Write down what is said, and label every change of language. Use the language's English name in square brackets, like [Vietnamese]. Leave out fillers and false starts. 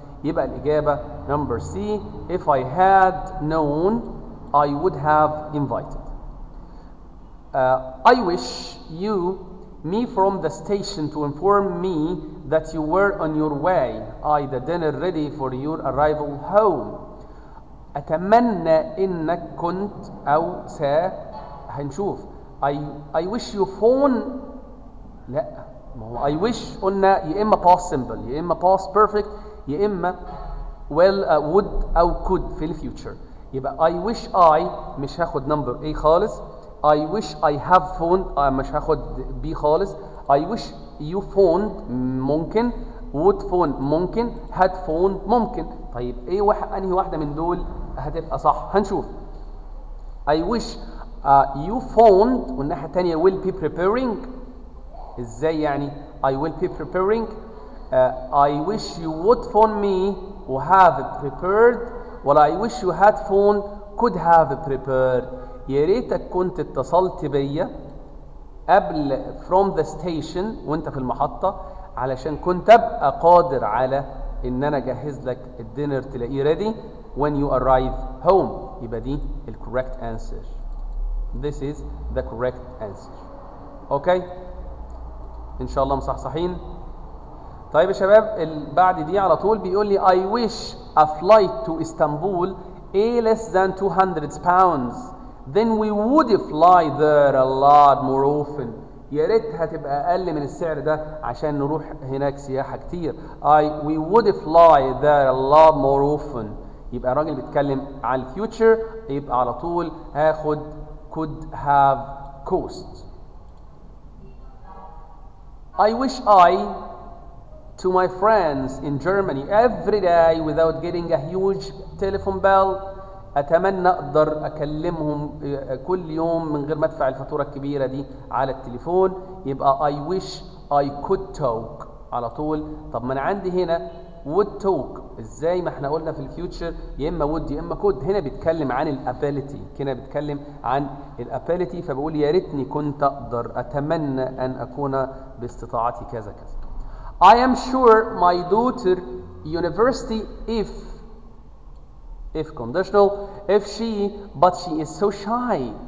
[Arabic] يبقى الإجابة [English] number C if I had known I would have invited. I wish you me from the station to inform me that you were on your way I the dinner ready for your arrival home. [Arabic] أتمنى إنك كنت أو سا هنشوف I wish you phone لا ما هو I wish قلنا يا إما past simple يا إما past perfect يا إما well would أو could في الفيوتشر. [English] يبقى I wish I [Arabic] مش هاخد [English] number A خالص. I wish I have phoned مش هاخد B خالص. I wish you phoned ممكن would phone ممكن had phoned ممكن. [Arabic] طيب أي واحد أنهي واحدة من دول هتبقى صح هنشوف. [English] I wish you phoned [Arabic] والناحية التانية [English] will be preparing [Arabic] إزاي يعني [English] I will be preparing. I wish you would phone me وhave prepared ولا I wish you had phoned could have prepared. [Arabic] يا ريتك كنت اتصلت بيا قبل from the station وانت في المحطة علشان كنت ابقى قادر على ان انا اجهز لك الدينر تلاقيه [English] ready when you arrive home. [Arabic] يبقى دي ال correct answer. [English] This is the correct answer. [Arabic] اوكي ان شاء الله مصحصحين. طيب يا شباب بعد دي على طول بيقول لي [English] I wish a flight to Istanbul a less than 200 pounds then we would fly there a lot more often. [Arabic] يا ريت هتبقى اقل من السعر ده عشان نروح هناك سياحه كتير. [English] we would fly there a lot more often. [Arabic] يبقى الراجل بيتكلم على الفيوتشر يبقى على طول هاخد could have cost. [English] I wish I to my friends in Germany every day without getting a huge telephone bill. [Arabic] اتمنى اقدر اكلمهم كل يوم من غير ما ادفع الفاتوره الكبيره دي على التليفون، يبقى [English] I wish I could talk [Arabic] على طول. طب ما انا عندي هنا would talk، ازاي ما احنا قلنا في الفيوتشر يا اما would يا اما could، هنا بيتكلم عن الابيليتي، هنا بيتكلم عن الابيليتي، فبقول يا ريتني كنت اقدر، اتمنى ان اكون باستطاعتي كذا كذا. [English] I am sure my daughter university if conditional if she but she is so shy.